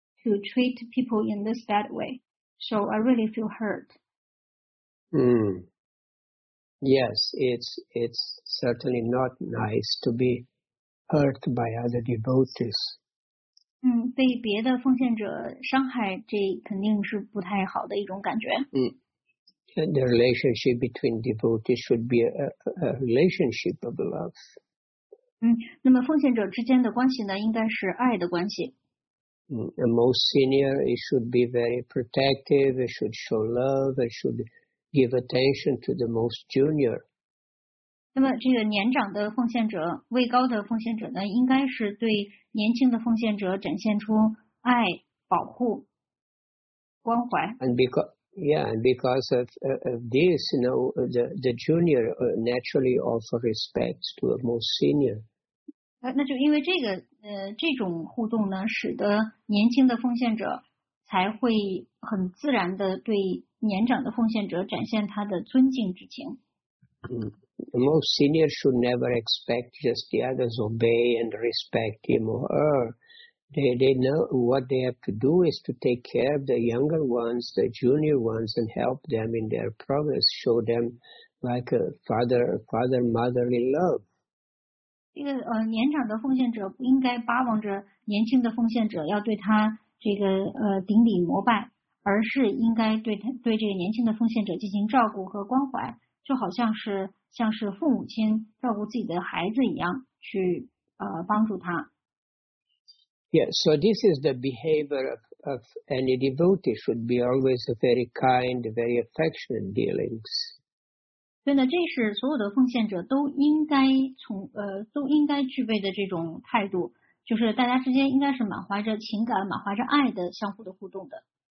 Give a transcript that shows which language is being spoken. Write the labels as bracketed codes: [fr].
[en] To treat people in this bad way. So I really feel hurt. Yes, it's certainly not nice to be hurt by other devotees. [zh] 被别的奉献者伤害，这肯定是不太好的一种感觉。 [en] And the relationship between devotees should be a relationship of love. [zh] 那么奉献者之间的关系呢，应该是爱的关系。 [en] The most senior, it should be very protective, it should show love, it should give attention to the most junior. [zh] 那么这个年长的奉献者，位高的奉献者呢，应该是对年轻的奉献者展现出爱、保护、关怀。 [en] And because of this, you know, the junior naturally offer respect to a most senior. [zh] 那就因为这个。这种互动呢，使得年轻的奉献者才会很自然的对年长的奉献者展现他的尊敬之情。 [en] The most senior should never expect just the others obey and respect him or her. They know what they have to do is to take care of the younger ones, the junior ones, and help them in their progress. Show them like a father motherly love. [zh] 这个年长的奉献者不应该巴望着年轻的奉献者要对他这个顶礼膜拜，而是应该对这个年轻的奉献者进行照顾和关怀，就好像是父母亲照顾自己的孩子一样去帮助他。 [en] Yeah, so this is the behavior of any devotee should be always a very kind, very affectionate dealings. [zh] 所以呢，这是所有的奉献者都应该都应该具备的这种态度，就是大家之间应该是满怀着情感、满怀着爱的相互的互动的。